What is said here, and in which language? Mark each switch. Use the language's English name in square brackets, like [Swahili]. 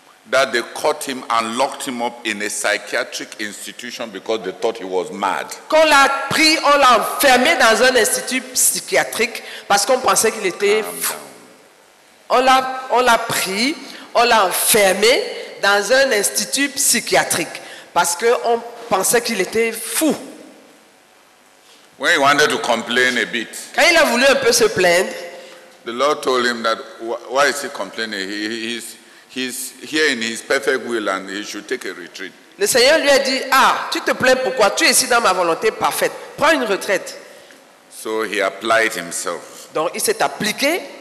[English] that they caught him and locked him up in a psychiatric institution because they thought he was mad. [French] Qu'on l'a pris, on l'a enfermé dans un institut psychiatrique parce qu'on pensait qu'il était fou. On l'a pris, on l'a enfermé dans un institut psychiatrique parce qu'on pensait qu'il était fou. [English] When he wanted to complain a bit, [French] quand il a voulu un peu se plaindre, [English] the Lord told him that why is he complaining? He's here in his perfect will and he should take a retreat. [French] Le Seigneur lui a dit, ah, tu te plains pourquoi? Tu es ici dans ma volonté parfaite. Prends une retraite. [English] So he applied himself. [French] Donc il s'est appliqué.